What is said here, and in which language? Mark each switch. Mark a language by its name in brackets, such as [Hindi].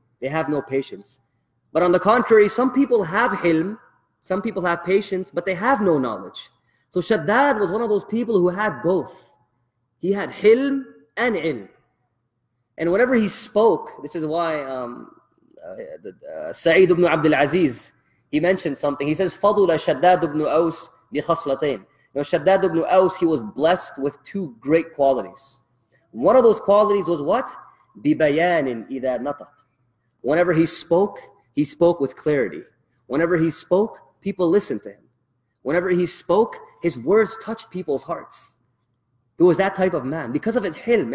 [English] They have no patience. But on the contrary, some people have hilm, some people have patience, but they have no knowledge. So Shaddad was one of those people who had both. He had hilm and ilm. And whenever he spoke, this is why Sa'id ibn Abdul Aziz, he mentioned something. He says, [Arabic] فَضُلَ شَدَّادُ ابْنُ أَوْسْ بِخَصْلَتَيْنِ. [English] Now, Shaddad ibn Aus, he was blessed with two great qualities. One of those qualities was what? [Arabic] بِبَيَانٍ إِذَا نَطَقْ. [English] Whenever he spoke with clarity. Whenever he spoke, people listened to him. Whenever he spoke, his words touched people's hearts. He was that type of man because of his hilm.